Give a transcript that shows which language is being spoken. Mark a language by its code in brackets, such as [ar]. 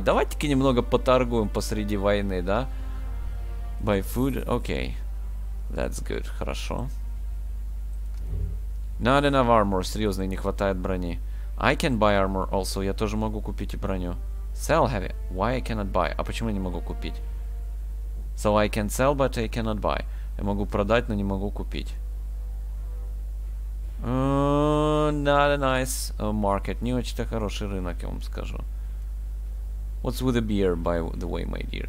[ru] Давайте-ка немного поторгуем посреди войны, да? [en] Buy food? Okay. That's good. [ru] Хорошо. [en] Not enough armor. [ru] Серьезно, не хватает брони. [en] I can buy armor also. [ru] Я тоже могу купить и броню. [en] Sell heavy. Why I cannot buy? [ru] А почему я не могу купить? [en] So I can sell, but I cannot buy. [ru] Я могу продать, но не могу купить. [en] Not a nice market. [ru] Не очень-то хороший рынок, я вам скажу. [en] What's with the beer, by the way, my dear?